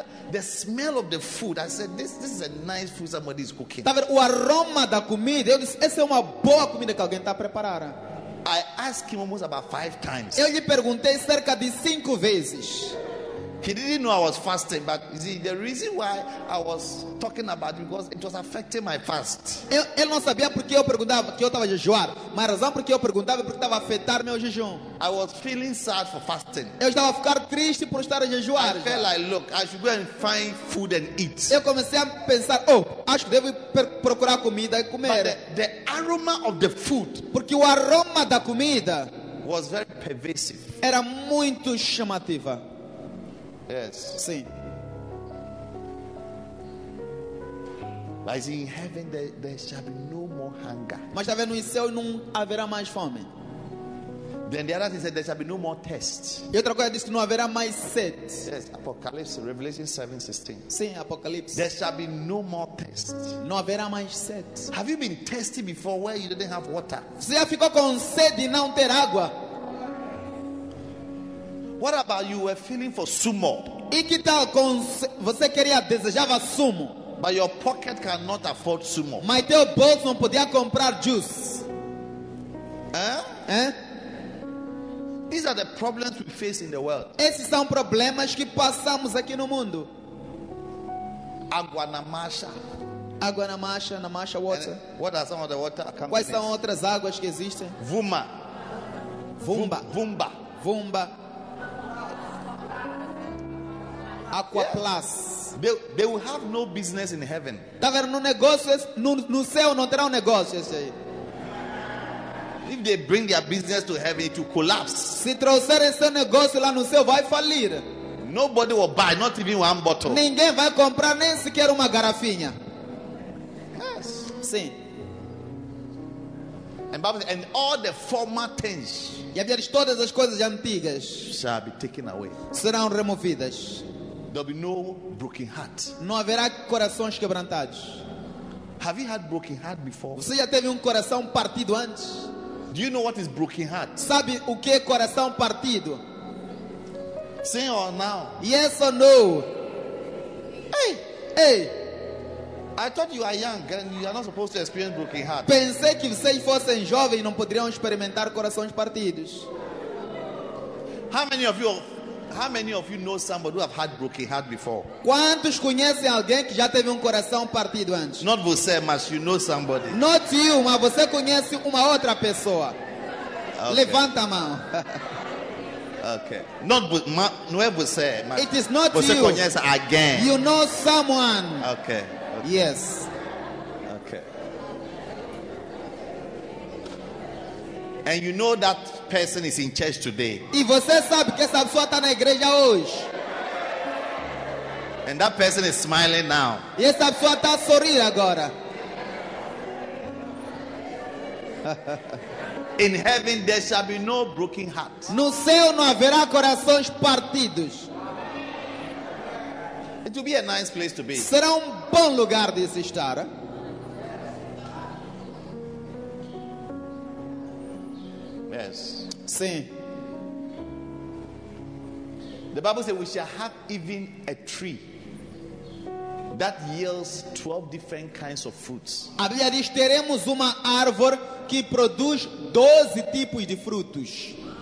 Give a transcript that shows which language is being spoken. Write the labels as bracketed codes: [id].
[en] The smell of the food. I said this is a nice food somebody is cooking. [pt] Tá vendo o aroma da comida? Eu disse, essa é uma boa comida que alguém está a preparar. [en] I asked him almost about 5 times. [pt] Eu lhe perguntei cerca de 5 vezes. [en] He didn't know I was fasting, but you see, the reason why I was talking about it because it was affecting my fast. [pt] Ele não sabia porque eu perguntava que eu estava a jejuar, mas a razão porque eu perguntava é porque estava a afetar meu jejum. [en] I was feeling sad for fasting. [pt] Eu estava a ficar triste por estar a jejuar. [en] I felt like, look, I should go and find food and eat. [pt] Eu comecei a pensar, oh, acho que devo procurar comida e comer. [en] But the aroma of the food, [pt] porque o aroma da comida [en] was very pervasive. [pt] Era muito chamativa. [en] Yes. [pt] Sim. Mas [en] in heaven there shall be no more hunger. [pt] Mas está vendo, em céu não haverá mais fome. [en] Then the other thing said there shall be no more test. [pt] E outra coisa disse que não haverá mais sede. [en] Yes, Apocalypse, Revelation 7:16. [pt] Sim, Apocalipse. [en] There shall be no more test. [pt] Não haverá mais sede. [en] Have you been tested before where you didn't have water? [pt] Você já ficou com sede e não ter água? [en] What about you were feeling for sumo? [pt] E que tal com você queria, desejava sumo? [en] But your pocket cannot afford sumo. [pt] Mas teu bolso não podia comprar juice. [en] These are the problems we face in the world. [pt] Esses são problemas que passamos aqui no mundo. Água na marcha. Água na marcha, [en] water. What are some of the water companies? [pt] Quais são outras águas que existem? Vuma. Vumba. Vumba. Vumba. Aqua Plus. [en] They will have no business in heaven. [pt] Tá vendo, no negócio, no céu não terão negócio esse aí. [en] If they bring their business to heaven, it will collapse. [pt] Se trouxerem seu negócio lá no céu, vai falir. [en] Nobody will buy, not even one bottle. [pt] Ninguém vai comprar nem sequer uma garrafinha. [en] Yes. [pt] Sim. [en] And all the former things, [pt] e haver todas as coisas antigas, [en] shall be taken away. [pt] Serão removidas. [en] There'll be no broken heart. [pt] Não haverá corações quebrantados. [en] Have you had broken heart before? [pt] Você já teve coração partido antes? [en] Do you know what is broken heart? [pt] Sabe o que é coração partido? Sim ou não? [en] Yes or no? Hey, hey! I thought you are young and you are not supposed to experience broken heart. [pt] Pensei que vocês fossem jovens e não poderiam experimentar corações partidos. [en] How many of you know somebody who have had broken heart before? [pt] Quantos conhecem alguém que já teve coração partido antes? [en] Not [pt] você, mas [en] you know somebody. Not you, [pt] mas você conhece uma outra pessoa. [en] Okay. [pt] Levanta a mão. Okay. Não é você, mas [en] it is not [pt] você [en] you. [pt] Conhece alguém. [en] You know someone. Okay. Yes. And you know that person is in church today. [pt] E você sabe que essa pessoa está na igreja hoje. [en] And that person is smiling now. [pt] E essa pessoa está a sorrir agora. [en] In heaven there shall be no broken hearts. [pt] No céu não haverá corações partidos. [en] It will be a nice place to be. [pt] Será bom lugar de se estar. [en] Yes. [pt] Sim. [en] The Bible says we shall have even a tree that yields 12 different kinds of fruits. [pt] A Bíblia diz, teremos uma árvore que produz 12 tipos de frutos.